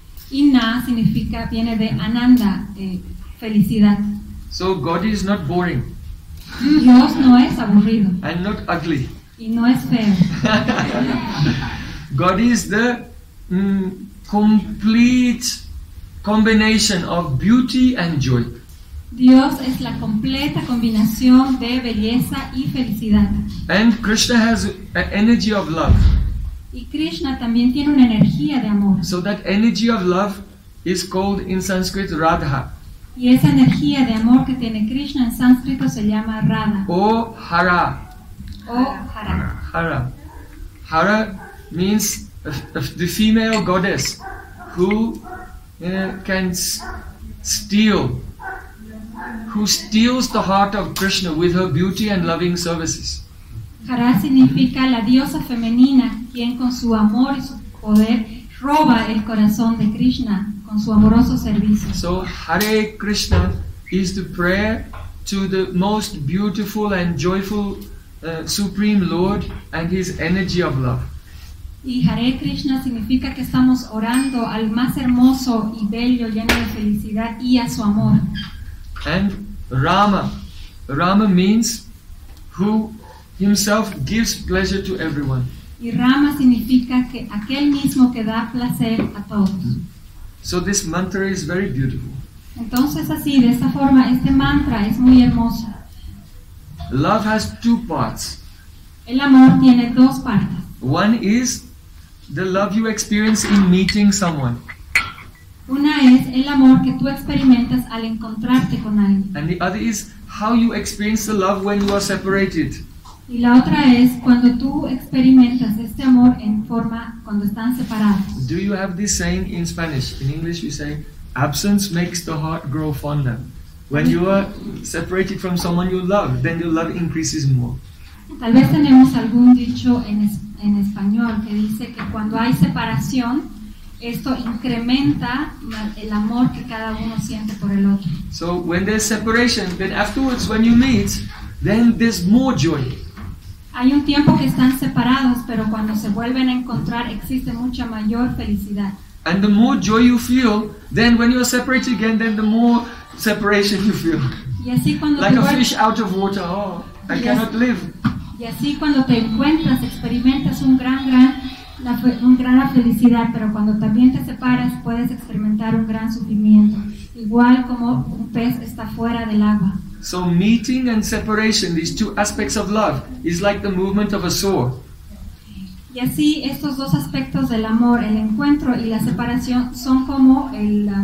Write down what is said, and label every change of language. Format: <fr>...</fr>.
<es>Y Na significa, viene de Ananda, felicidad.</es> <en>So God is not boring.</en> <es>Dios no es aburrido.</es> <en>And not ugly.</en> <es>Y no es feo.</es> <en>God is the complete combination of beauty and joy.</en> <es>Dios es la completa combinación de belleza y felicidad.</es> <en>And Krishna has an energy of love.</en> <es>Y Krishna también tiene una energía de amor.</es> <en>So that energy of love is called in Sanskrit Radha.</en> <es>Y esa energía de amor que tiene Krishna en sánscrito se llama Radha.</es> <sa>O Hara. O Hara. Hara.</sa> <en>Hara means the female goddess who can steal, who steals the heart of Krishna with her beauty and loving services.</en> <es>Hara significa la diosa femenina quien con su amor y su poder roba el corazón de Krishna con su amoroso servicio.</es> <en>So Hare Krishna is the prayer to the most beautiful and joyful Supreme Lord and His energy of love.</en> <es>Y Hare Krishna significa que estamos orando al más hermoso y bello lleno de felicidad y a su amor.</es> <en>And Rama. Rama means who himself gives pleasure to everyone.</en> <es>Y Rama significa que aquel mismo que da placer a todos.</es> <en>So this mantra is very beautiful.</en> <es>Entonces así, de esta forma, este mantra es muy hermoso.</es> <en>Love has two parts.</en> <es>El amor tiene dos partes.</es> <en>One is the love you experience in meeting someone.</en> <es>Una es el amor que tú experimentas al encontrarte con alguien.</es> <en>And the other is how you experience the love when you are separated.</en> <es>Y la otra es cuando tú experimentas este amor en forma cuando están separados.</es> <en>Do you have this saying in Spanish? In English you say, absence makes the heart grow fonder. When you are separated from someone you love, then your love increases more.</en> <es>Tal vez tenemos algún dicho en español que dice que cuando hay separación, esto incrementa el amor que cada uno siente por el otro.</es> <en>So when there's separation, then afterwards when you meet, then there's more joy.</en> <es>Hay un tiempo que están separados, pero cuando se vuelven a encontrar, existe mucha mayor felicidad.</es> <en>And the more joy you feel, then when you are separated again, then the more separation you feel.</en> <es>Y así cuando</es> <en>like a fish out of water, oh, I cannot live.</en> <es>Y así cuando te encuentras, experimentas una gran felicidad, pero cuando también te separas, puedes experimentar un gran sufrimiento, igual como un pez está fuera del agua.</es> <en>So meeting and separation, these two aspects of love, is like the movement of a sword.</en> <es>Y así estos dos aspectos del amor, el encuentro y la separación, son como el</es>